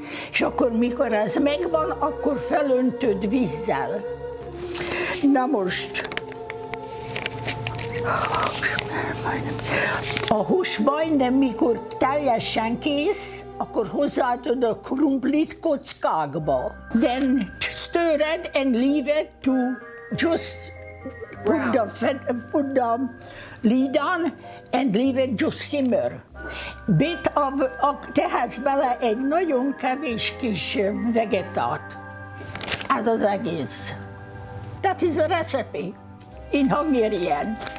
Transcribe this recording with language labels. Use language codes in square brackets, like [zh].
[hu] És akkor, mikor ez megvan, akkor felöntöd vízzel. Na most, a hús majdnem, mikor teljesen kész, akkor hozzáadod a krumplit kockákba. [en] Then stir it and leave it to just put the lid on and leave it just simmer. Bit of, [hu] tehetsz bele egy nagyon kevés kis vegetát. Ez az egész. [en] That is a recipe in Hungarian.